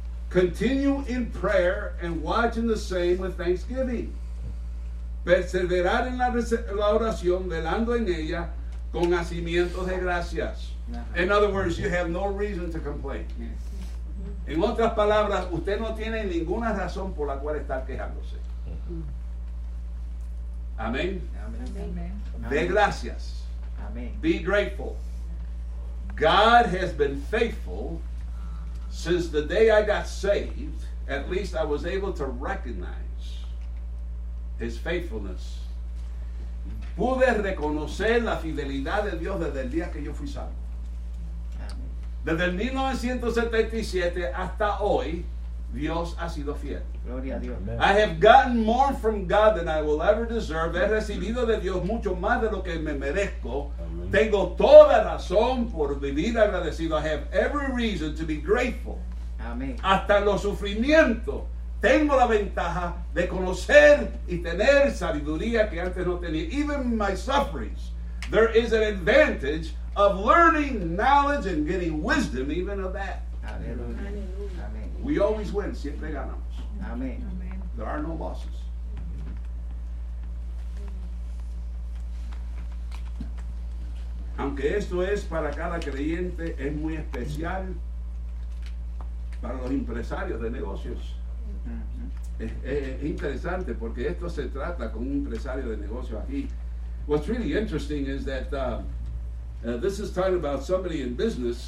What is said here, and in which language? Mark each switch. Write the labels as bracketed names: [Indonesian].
[English] Continue in prayer and watching the same with thanksgiving. [Spanish] Perseverar en la oración, velando en ella, con hacimientos de gracias. [English] In other words, you have no reason to complain. Yes. [Spanish] En otras palabras, usted no tiene ninguna razón por la cual estar quejándose. Amén. De gracias. [English] Amen. Be grateful. God has been faithful since the day I got saved. At least I was able to recognize His faithfulness. [Spanish] Pude reconocer la fidelidad de Dios desde el día que yo fui salvo. Amén. Desde el 1977 hasta hoy, Dios ha sido fiel. Gloria a Dios. [English] Amen. I have gotten more from God than I will ever deserve. [Spanish] He recibido de Dios mucho más de lo que me merezco. [English] Amen. [Spanish] Tengo toda razón por vivir agradecido. [English] I have every reason to be grateful. [Spanish] Amén. Hasta los sufrimientos. Tengo la ventaja de conocer y tener sabiduría que antes no tenía. [English] Even in my sufferings, there is an advantage of learning knowledge and getting wisdom even of that. [Spanish] Aleluya. Aleluya. [English] We always win. [Spanish] Siempre ganamos. [English] Amen. There are no losses. [Spanish] Aunque esto es para cada creyente, es muy especial para los empresarios de negocios. Es interesante porque esto se trata con un empresario de negocio aquí. [English] What's really interesting is that this is talking about somebody in business.